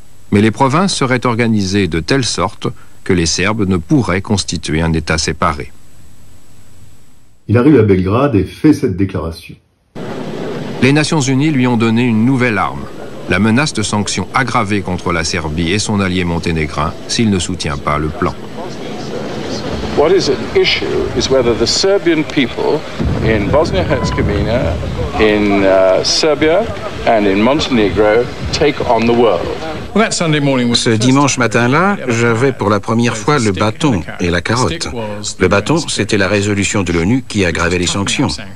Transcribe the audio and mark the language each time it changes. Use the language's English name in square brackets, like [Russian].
[French] Mais les provinces seraient organisées de telle sorte que les Serbes ne pourraient constituer un État séparé. Il arrive à Belgrade et fait cette déclaration. Les Nations Unies lui ont donné une nouvelle arme. La menace de sanctions aggravées contre la Serbie et son allié monténégrin s'il ne soutient pas le plan. [English] What is at issue is whether the Serbian people in Bosnia-Herzegovina, in Serbia and in Montenegro take on the world. [French] Ce dimanche matin-là, j'avais pour la première fois le bâton et la carotte. Le bâton, c'était la résolution de l'ONU qui aggravait les sanctions.